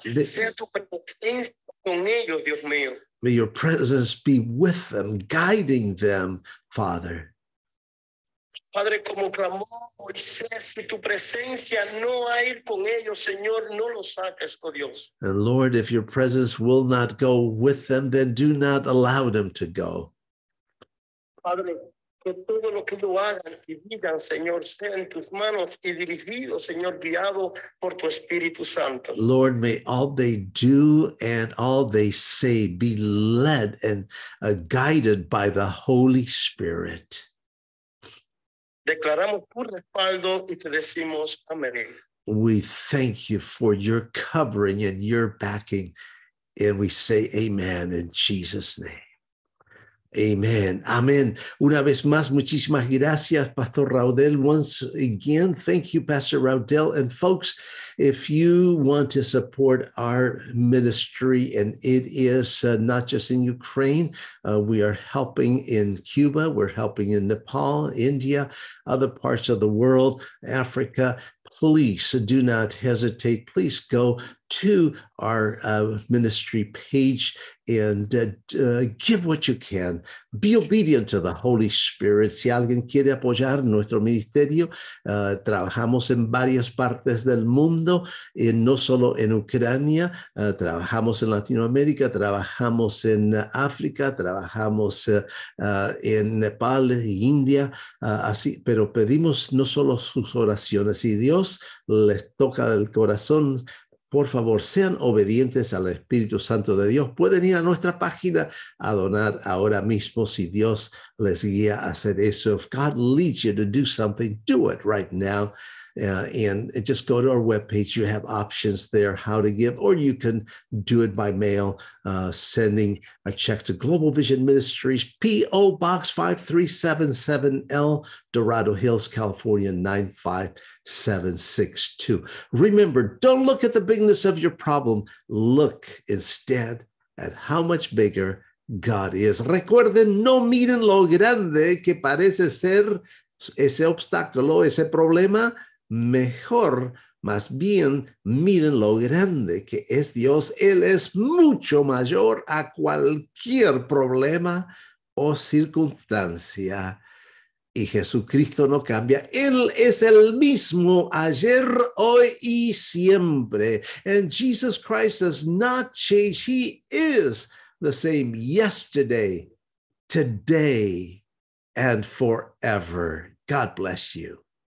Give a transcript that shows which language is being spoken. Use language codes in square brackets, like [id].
[es] Sea tu presencia con ellos, Dios mío. [en] May your presence be with them, guiding them, Father. [es] Padre, como clamó Moisés, si tu presencia no va a ir con ellos, Señor, no los saques, oh Dios. [en] And Lord, if your presence will not go with them, then do not allow them to go. [es] Padre, que todo lo que lo hagan y digan, Señor, sea en tus manos y dirigido, Señor, guiado por tu Espíritu Santo. [en] Lord, may all they do and all they say be led and guided by the Holy Spirit. [es] Declaramos tu respaldo y te decimos amén. [en] We thank you for your covering and your backing, and we say amen in Jesus' name. [es] Amen. Amen. Una vez más, muchísimas gracias, Pastor Raudel. [en] Once again, thank you, Pastor Raudel. And folks, if you want to support our ministry, and it is not just in Ukraine, we are helping in Cuba, we're helping in Nepal, India, other parts of the world, Africa. Please do not hesitate. Please go to our ministry page and give what you can. Be obedient to the Holy Spirit. [es] Si alguien quiere apoyar nuestro ministerio, trabajamos en varias partes del mundo, y no solo en Ucrania, trabajamos en Latinoamérica, trabajamos en África, trabajamos en Nepal, India, así. Pero pedimos no solo sus oraciones, si Dios les toca el corazón, por favor, sean obedientes al Espíritu Santo de Dios. Pueden ir a nuestra página a donar ahora mismo si Dios les guía a hacer eso. [en] If God leads you to do something, do it right now. And just go to our webpage. You have options there how to give, or you can do it by mail, sending a check to Global Vision Ministries, P.O. Box 5377L, Dorado Hills, California, 95762. Remember, don't look at the bigness of your problem. Look instead at how much bigger God is. [es] Recuerden, no miren lo grande que parece ser ese obstáculo, ese problema. Mejor, más bien, miren lo grande que es Dios. Él es mucho mayor a cualquier problema o circunstancia. Y Jesucristo no cambia. Él es el mismo ayer, hoy y siempre. [en] And Jesus Christ does not change. He is the same yesterday, today, and forever. God bless you.